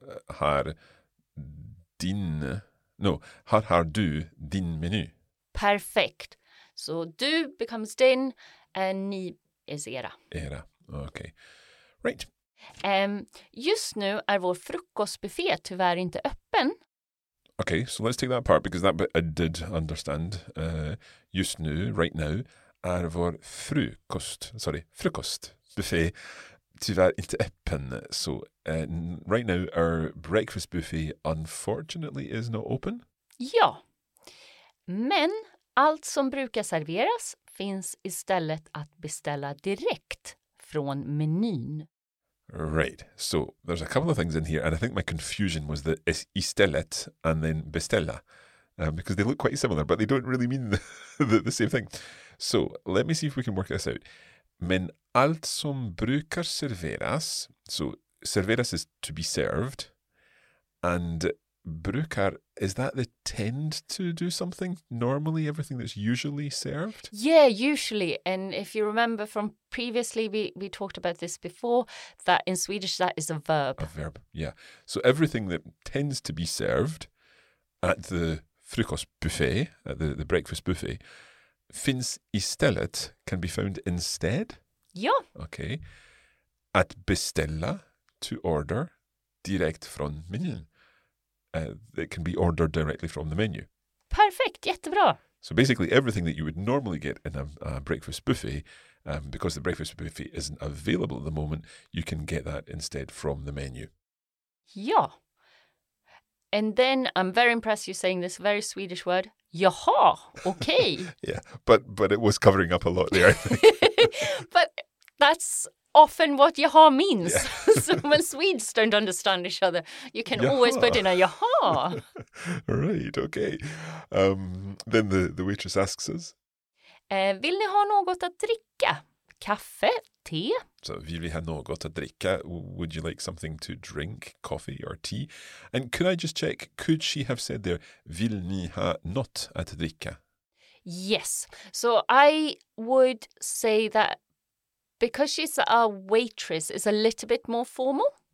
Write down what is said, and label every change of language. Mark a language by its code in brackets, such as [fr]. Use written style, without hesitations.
[sv] har din, no, här har du din meny. Perfekt. Så du becomes din and ni is era. [en] Era, okej. Okay. Right. [sv] Just nu är vår frukostbuffé tyvärr inte öppen. [en] Okay, so let's take that apart because that bit I did understand. [sv] Just nu, [en] right now, [sv] är vår frukostbuffé tyvärr inte öppen. [en] So right now our breakfast buffet unfortunately is not open. [sv] Ja, men allt som brukar serveras finns istället att beställa direkt från menyn. [en] Right, so there's a couple of things in here, and I think my confusion was that it's istället and then beställa, because they look quite similar, but they don't really mean the same thing. So let me see if we can work this out. [sv] Men allt som brukar serveras, [en] so serveras is to be served, and brukar, is that the tend to do something normally, everything that's usually served? Yeah, usually. And if you remember from previously, we talked about this before, that in Swedish that is a verb. A verb, yeah. So everything that tends to be served at the frukostbuffé, at the breakfast buffet, [sv] finns istället [en] can be found instead? Yeah. Okay. [sv] At beställa, [en] to order, [sv] direkt från menyn. [en] It can be ordered directly from the menu. Perfect, jättebra. So basically everything that you would normally get in a breakfast buffet, because the breakfast buffet isn't available at the moment, you can get that instead from the menu. [sv] Ja. [en] And then I'm very impressed you're saying this very Swedish word, jaha, okay. Yeah, but it was covering up a lot there. But that's often what jaha means. Yeah. So when Swedes don't understand each other, you can jaha. Always put in a jaha. Right, okay. Then the waitress asks us. [sv] Vill ni ha något att dricka? Kaffe, te? So, vill vi ha något att dricka? [en] Would you like something to drink? Coffee or tea? And could I just check, could she have said there, [sv] vill ni ha något att dricka? [en] Yes. So I would say that because she's a waitress, it's a little bit more formal.